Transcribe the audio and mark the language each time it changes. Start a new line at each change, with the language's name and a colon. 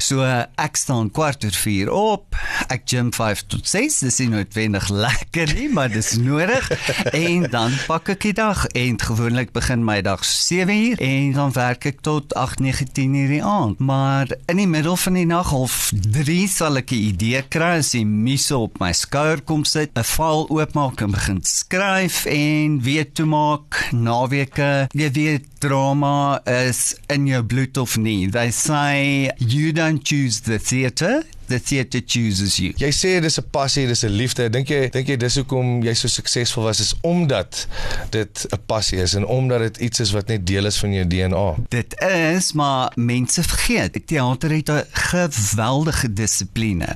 Afrikaans: So, ek staan 3:45 op, ek gym 5-6, dis nie noodwendig lekker nie, maar dis nodig, en dan pak ek die dag, en gewoonlik begin my dag 7:00, en dan werk ek tot 8-9:10 die aand. Maar in die middel van die nag, 2:30, sal ek die idee kry as die muse op my skouer kom sit, 'n file oopmaak en begin skryf en weer toe maak, naweke, jy weet, drama is in jou bloed of nie.
English: They say, you don't choose the theater chooses you.
Afrikaans: Jy sê, dit is 'n passie, dit is 'n liefde. Denk jy, dis hoekom jy so suksesvol was, is omdat dit 'n passie is en omdat dit iets is wat net deel is van jou DNA? Dit is, maar mense vergeet. Theater het 'n geweldige discipline.